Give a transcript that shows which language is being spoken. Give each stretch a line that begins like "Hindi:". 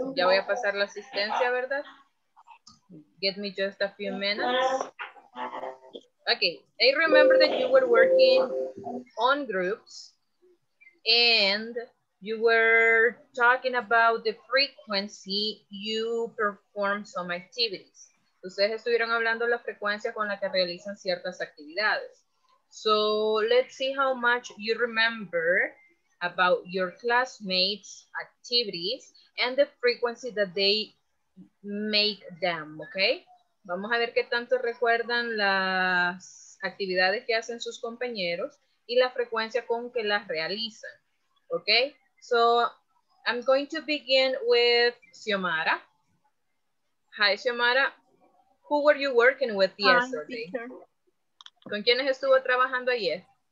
Spanish: Ya voy a pasar la asistencia, ¿verdad?
English: Give me just a few minutes. Okay, I remember that you were working on groups and you were talking about the frequency you perform some activities.
Spanish: Ustedes estuvieron hablando la frecuencia con la que realizan ciertas actividades.
English: So let's see how much you remember about your classmates' activities and the frequency that they make them, okay?
Spanish: Vamos a ver qué tanto recuerdan las actividades que hacen sus compañeros y la frecuencia con que las realizan, okay?
English: So, I'm going to begin with Xiomara. Hi, Xiomara. Who were you working with yesterday?
Spanish: ¿Con quiénes estuvo trabajando ayer?